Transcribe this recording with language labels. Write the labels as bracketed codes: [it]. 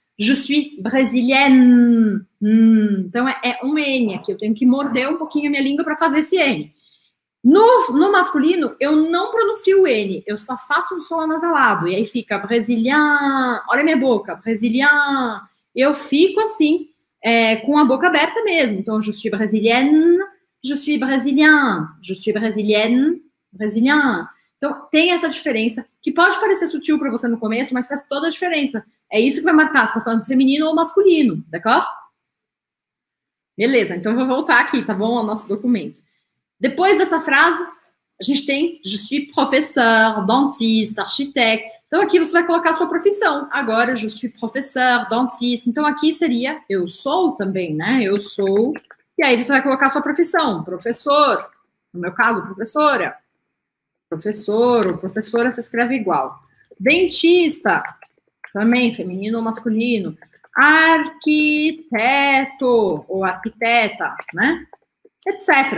[fr] Je suis brésilienne. [pt] Então é um N aqui, eu tenho que morder um pouquinho a minha língua para fazer esse N. No masculino, eu não pronuncio o N, eu só faço um som anasalado, e aí fica brésilien, olha a minha boca, brésilien. Eu fico assim, com a boca aberta mesmo. Então, [fr] je suis brésilienne. Je suis brésilien, je suis brésilienne, brésilien. [pt] Então, tem essa diferença, que pode parecer sutil para você no começo, mas faz toda a diferença. É isso que vai marcar se está falando feminino ou masculino, [fr] d'accord? [pt] Beleza, então vou voltar aqui, tá bom? O nosso documento. Depois dessa frase, A gente tem, [fr] je suis professeur, dentiste, architecte. [pt] Então, aqui você vai colocar a sua profissão. Agora, [fr] je suis professeur, dentiste. [pt] Então, aqui seria, eu sou também, né? Eu sou. E aí, você vai colocar a sua profissão. Professor. No meu caso, professora. Professor ou professora, se escreve igual. Dentista. Também, feminino ou masculino. Arquiteto ou arquiteta, né? Etc.